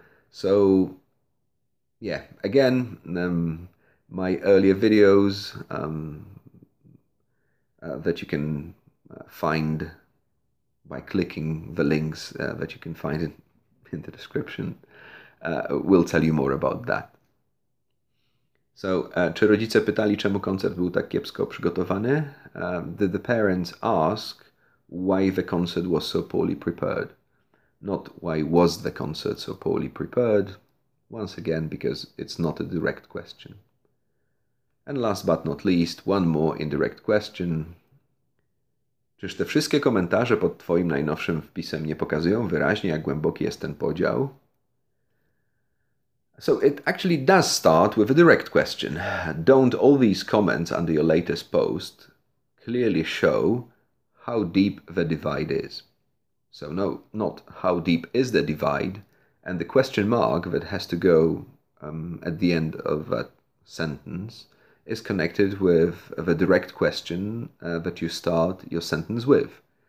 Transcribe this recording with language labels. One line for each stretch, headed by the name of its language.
English: So, yeah, again, my earlier videos that you can find by clicking the links that you can find in the description will tell you more about that.
Polish: So, czy rodzice pytali, czemu koncert był tak kiepsko przygotowany?
English: Did the parents ask why the concert was so poorly prepared? Not why was the concert so poorly prepared? Once again, because it's not a direct question. And last but not least, one more indirect question.
Polish: Czyż te wszystkie komentarze pod twoim najnowszym wpisem nie pokazują wyraźnie, jak głęboki jest ten podział?
English: So it actually does start with a direct question. Don't all these comments under your latest post clearly show how deep the divide is? So no, not how deep is the divide, and the question mark that has to go at the end of that sentence is connected with the direct question that you start your sentence with.